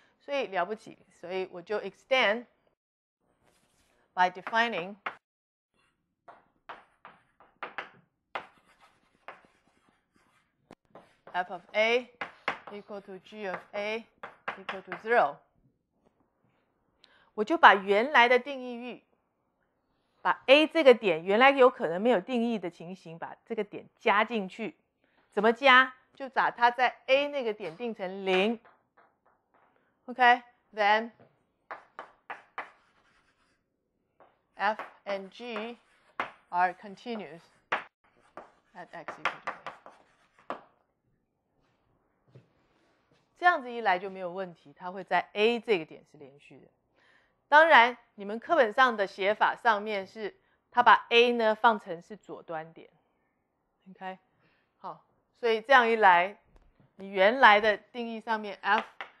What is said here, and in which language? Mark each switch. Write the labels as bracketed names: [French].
[Chinese] 所以了不起，所以我就 [English] extend by defining f of a equal to g of a equal to zero， [Chinese] 我就把原来的定义域，把 a 这个点原来有可能没有定义的情形，把这个点加进去，怎么加？就把它在 a 那个点定成零。 [English] Okay, then f and g are continuous at x equal to a. [Chinese] 这样子一来就没有问题，它会在 a 这个点是连续的。当然，你们课本上的写法上面是，它把 a 呢放成是左端点。 Okay, 好，所以这样一来，你原来的定义上面 f。